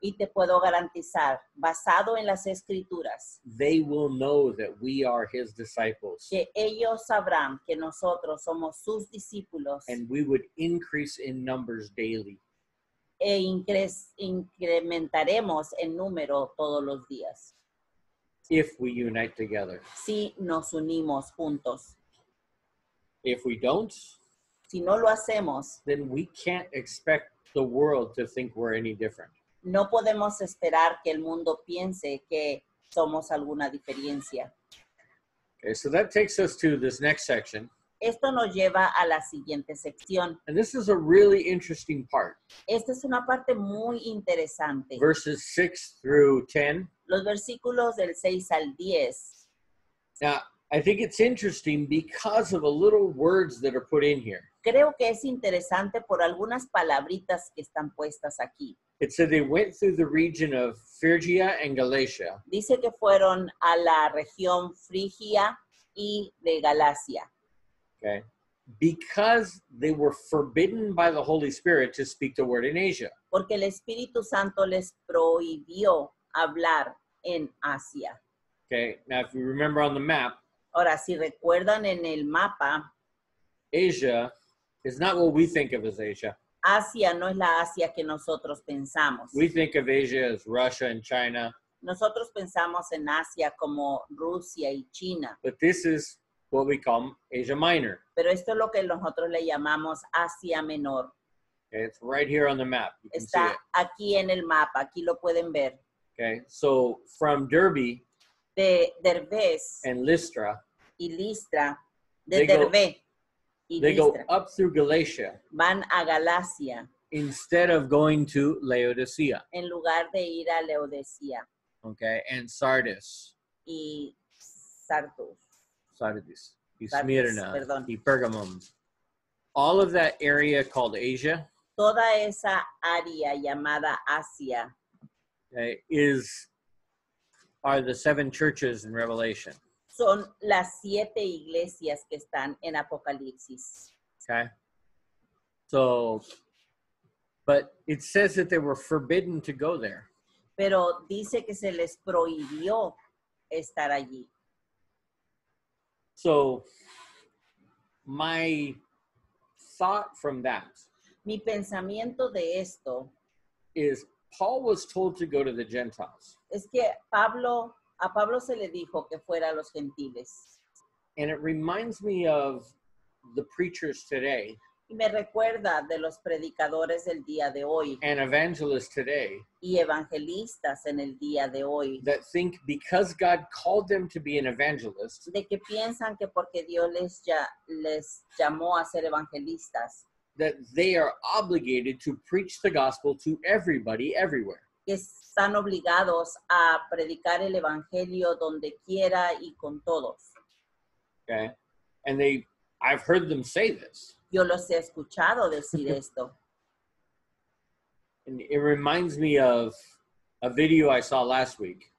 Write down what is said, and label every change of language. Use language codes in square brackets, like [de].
[es] Y te puedo garantizar, basado en las escrituras. [en] They will know that we are his disciples. [es] Que ellos sabrán que nosotros somos sus discípulos. [en] And we would increase in numbers daily. [es] E incrementaremos en número todos los días. [en] If we unite together. [es] Si nos unimos juntos. [en] If we don't. [es] Si no lo hacemos. [en] Then we can't expect the world to think we're any different. [es] No podemos esperar que el mundo piense que somos alguna diferencia. [en] Okay, so that takes us to this next section. [es] Esto nos lleva a la siguiente sección. [en] And this is a really interesting part. [es] Esta es una parte muy interesante. [en] Verses 6 through 10. [es] Los versículos del 6 al 10. [en] Now, I think it's interesting because of the little words that are put in here. [es] Creo que es interesante por algunas palabritas que están puestas aquí. [en] It said they went through the region of Phrygia and Galatia. [es] Dice que fueron a la región Frigia y de Galacia. [en] Okay. Because they were forbidden by the Holy Spirit to speak the word in Asia. [es] Porque el Espíritu Santo les prohibió hablar en Asia. [en] Okay, now if you remember on the map. [es] Ahora, si recuerdan en el mapa. [en] Asia is not what we think of as Asia. [es] Asia no es la Asia que nosotros pensamos. [en] We think of Asia as Russia and China. [es] Nosotros pensamos en Asia como Rusia y China. [en] But this is what we call Asia Minor. [es] Pero esto es lo que nosotros le llamamos Asia Menor. [en] It's right here on the map. You [es] está [en] can see [es] aquí en el mapa. Aquí lo pueden ver. [en] Okay, so from Derbe. [es] De Derbez. [en] And Lystra. [es] Y Lystra. De Derbe. [en] They go up through Galatia. [es] Van a Galacia. [en] Instead of going to Laodicea. [es] En lugar de ir a Laodicea. [en] Okay, and Sardis. [es] Y Sardis. [en] Sardis. [es] Y Smyrna. Perdón. Y Pergamum. [en] All of that area called Asia. [es] Toda esa área llamada Asia. [en] Okay, are the seven churches in Revelation. [es] Son las siete iglesias que están en Apocalipsis. [en] Okay. So, but it says that they were forbidden to go there. [es] Pero dice que se les prohibió estar allí. [en] So, my thought from that. [es] Mi pensamiento de esto. [en] Is Paul was told to go to the Gentiles. [es] Es que a Pablo se le dijo que fuera a los gentiles. [en] And it reminds me of the preachers today. [es] Y me recuerda de los predicadores del día de hoy. [en] And evangelists today. [es] Y evangelistas en el día de hoy. [en] That think because God called them to be an evangelist. [es] De que piensan que porque Dios les llamó a ser evangelistas. [en] That they are obligated to preach the gospel to everybody everywhere. [es] Que están obligados a predicar el evangelio donde quiera y con todos. [en] Okay. And I've heard them say this. [es] Yo los he escuchado decir esto. [en] And it reminds me of a video I saw last week.